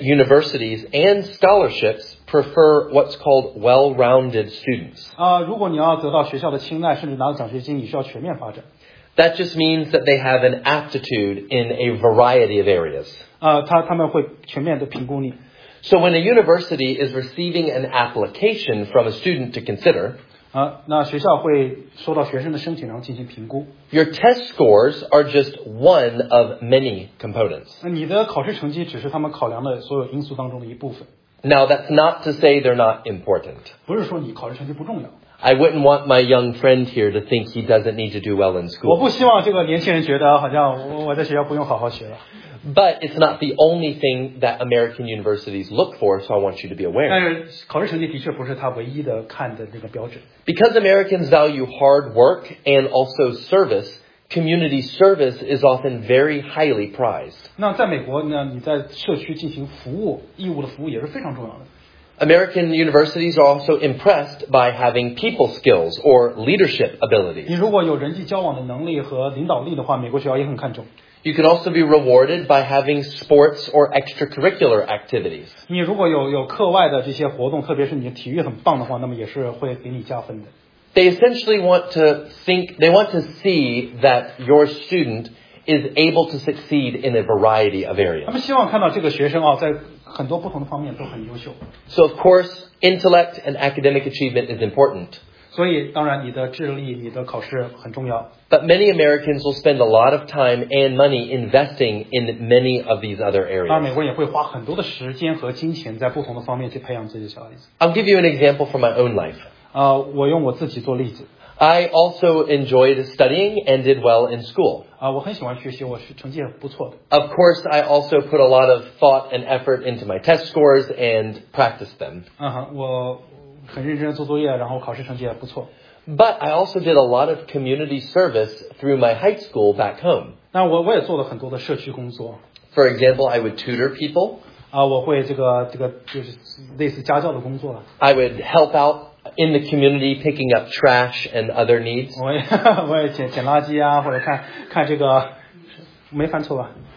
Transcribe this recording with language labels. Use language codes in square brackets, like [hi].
[en] universities and scholarships prefer what's called well-rounded students. [zh] 如果你要得到学校的青睐，甚至拿到奖学金，你需要全面发展。 [en] That just means that they have an aptitude in a variety of areas. [zh] 他们会全面的评估你。 [en] So when a university is receiving an application from a student to consider, [zh] 那学校会收到学生的申请，然后进行评估。 [en] Your test scores are just one of many components. [zh] 你的考试成绩只是他们考量的所有因素当中的一部分。 [en] Now that's not to say they're not important. [zh] 不是说你考试成绩不重要。 [en] I wouldn't want my young friend here to think he doesn't need to do well in school. [zh] 我不希望这个年轻人觉得好像我在学校不用好好学了。 [en] But it's not the only thing that American universities look for, so I want you to be aware. [zh] 但是考试成绩的确不是他唯一的看的那个标准。 [en] Because Americans value hard work and also service, community service is often very highly prized. [zh] 那在美国呢，你在社区进行服务，义务的服务也是非常重要的。 [en] American universities are also impressed by having people skills or leadership abilities. [zh] 你如果有人际交往的能力和领导力的话，美国学校也很看重。 [en] You can also be rewarded by having sports or extracurricular activities. [zh] 你如果有课外的这些活动，特别是你的体育很棒的话，那么也是会给你加分的。 [en] They essentially want to see that your student is able to succeed in a variety of areas. [zh] 他们希望看到这个学生啊，在很多不同的方面都很优秀。 [en] So of course, intellect and academic achievement is important. [zh] 所以当然你的智力、你的考试很重要。 [en] But many Americans will spend a lot of time and money investing in many of these other areas. [zh] 当然美国人也会花很多的时间和金钱在不同的方面去培养这些小孩子。 [en] I'll give you an example from my own life. [zh] 我用我自己做例子。 [en] I also enjoyed studying and did well in school. [zh] 我很喜欢学习，我成绩不错的。 [en] Of course, I also put a lot of thought and effort into my test scores and practiced them. [zh] 我很认真做作业，然后考试成绩也不错。 [en] But I also did a lot of community service through my high school back home. [zh] 那我也做了很多的社区工作。 [en] For example, I would tutor people. [zh] 我会这个就是类似家教的工作。 [en] I would help out. In the community, picking up trash and other needs. [zh] 我也捡垃圾啊，或者看这个，没犯错吧？